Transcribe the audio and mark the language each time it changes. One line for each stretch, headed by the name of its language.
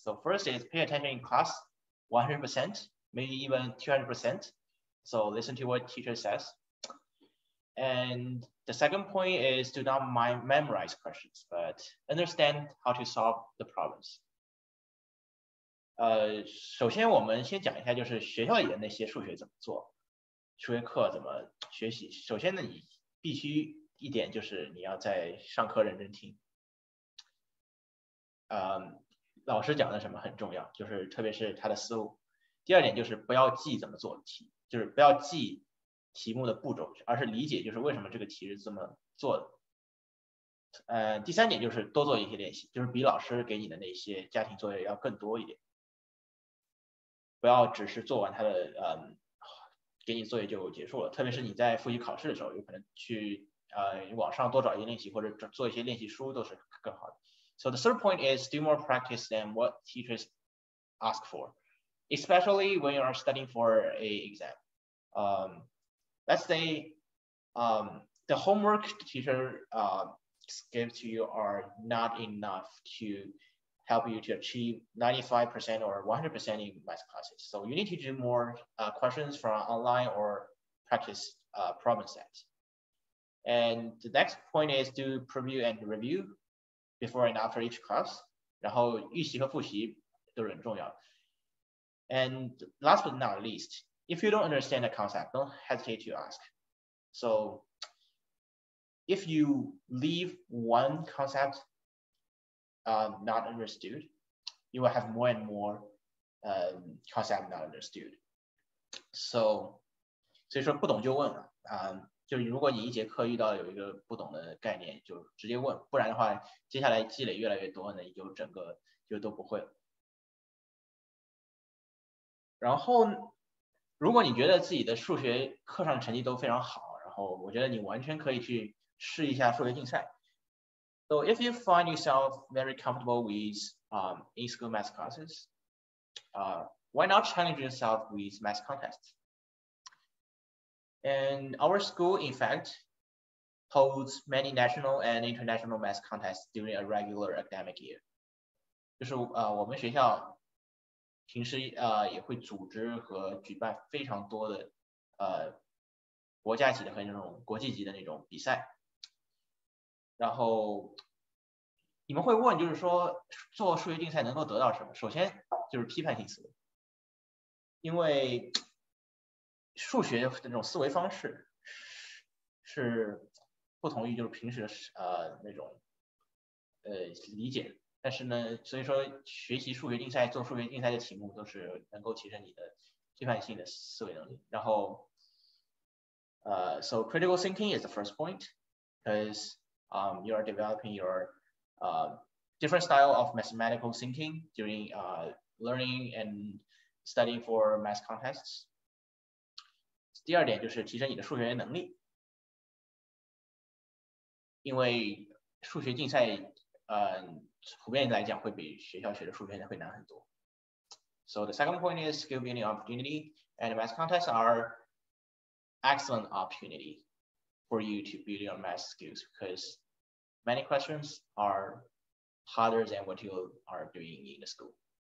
English: So first is pay attention in class 100%, maybe even 200%. So listen to what teacher says. And the second point is do not memorize questions, but understand how to solve the problems.
Chinese: 首先我们先讲一下就是学校里的那些数学怎么做，数学课怎么学习。首先呢，你必须一点就是你要在上课认真听。老师讲的什么很重要，就是特别是他的思路。第二点就是不要记怎么做题，就是不要记题目的步骤，而是理解就是为什么这个题是这么做的。第三点就是多做一些练习，就是比老师给你的那些家庭作业要更多一点，不要只是做完他的给你作业就结束了。特别是你在复习考试的时候，有可能去网上多找一些练习，或者做一些练习书都是更好的。
English: So the third point is do more practice than what teachers ask for, especially when you are studying for an exam. Let's say the homework the teacher gives to you are not enough to help you to achieve 95% or 100% in math classes. So you need to do more questions from online or practice problem sets. And the next point is do preview and review before and after each class,
Chinese: 然后预习和复习都很重要。
English: And last but not least, if you don't understand the concept, don't hesitate to ask. So if you leave one concept not understood, you will have more and more concept not understood.
Chinese: So 所以说不懂就问了。就是如果你一节课遇到有一个不懂的概念就直接问，不然的话接下来积累越来越多呢，就整个就都不会了。然后如果你觉得自己的数学课上成绩都非常好，然后我觉得你完全可以去试一下数学竞赛。
English: So if you find yourself very comfortable with in school math classes, why not challenge yourself with math contests? And our school, in fact, holds many national and international math contests during a regular academic year.
Chinese: 就是我们学校平时也会组织和举办非常多的国家级的和那种国际级的那种比赛。然后你们会问，就是说做数学竞赛能够得到什么？首先就是批判性思维，因为数学的这种思维方式是不同于就是平时那种理解，但是呢，所以说学习数学竞赛、做数学竞赛的题目都是能够提升你的批判性的思维能力。
English: 然后，so critical thinking is the first point, because you are developing your different style of mathematical thinking during learning and studying for math contests.
Chinese: 第二点就是提升你的数学能力，因为数学竞赛，普遍来讲会比学校学的数学会难很多。
English: So the second point is skill building opportunity, and math contests are excellent opportunity for you to build your math skills, because many questions are harder than what you are doing in the school.